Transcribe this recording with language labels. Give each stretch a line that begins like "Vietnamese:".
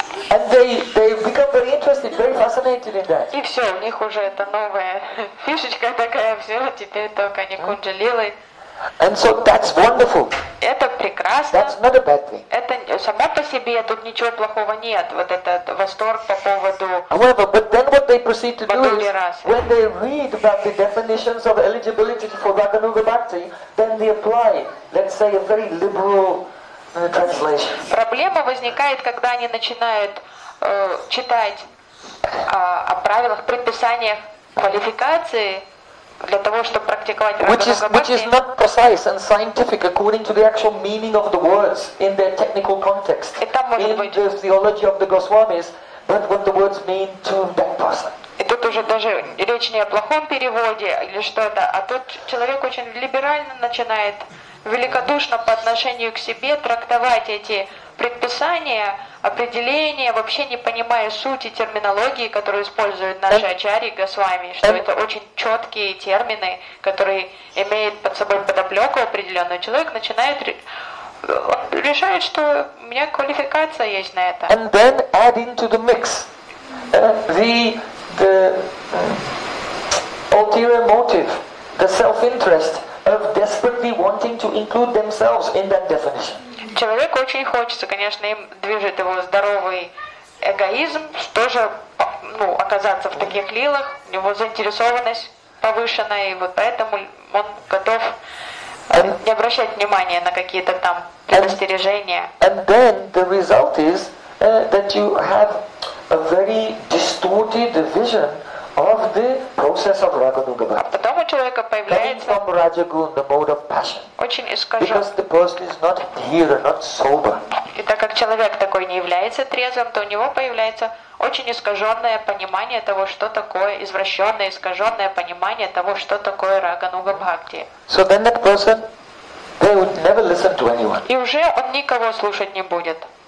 English: And they become very interested, very fascinated in that.
Russian: И все, у них уже это новая фишечка такая, все, теперь только они Никунджа Лилы.
English: And so that's wonderful.
Russian: Это прекрасно.
English: That's not a bad thing.
Russian: Это само по себе тут ничего плохого нет. Вот этот восторг по поводу.
English: However, but then what they proceed to do is when they read about the definitions of eligibility for Raganuga Bhakti, then they apply, let's say, a very liberal translation.
Russian: Проблема возникает, когда они начинают читать о правилах, предписаниях квалификации. Для того, чтобы практиковать
English: which is not precise and scientific according to the actual meaning of the words in their technical context in the theology of the Goswamis, but what the words mean to that person.
Russian: И тут уже даже речь не о плохом переводе или что-то, а тут человек очень либерально начинает великодушно по отношению к себе трактовать эти предписания, определения, вообще не понимая сути терминологии, которую используют наши ачарьи госвами, что это очень четкие термины, которые имеют под собой подоплеку определенную. Человек начинает решает, что у меня квалификация есть на это.
English: And then add into the mix the ulterior motive, the self-interest of desperately wanting to include themselves in that definition.
Russian: Человеку очень хочется, конечно, им движет его здоровый эгоизм, тоже ну, оказаться в таких лилах, у него заинтересованность повышенная, и вот поэтому он готов не обращать внимания на какие-то там предостережения.
English: And then the result is that you have a very distorted vision of the process of Raganuga Bhakti.
Russian: А потом у человека появляется
English: coming from Rajagun, the mode of passion.
Russian: Очень искажен.
English: Because the person is not here, not sober.
Russian: И так как человек такой не является трезвым, то у него появляется очень искаженное понимание того, что такое извращенное, искаженное понимание того, что такое Рагануга Бхакти.
English: So then that person, they would never listen to anyone.
Russian: И уже он никого слушать не будет.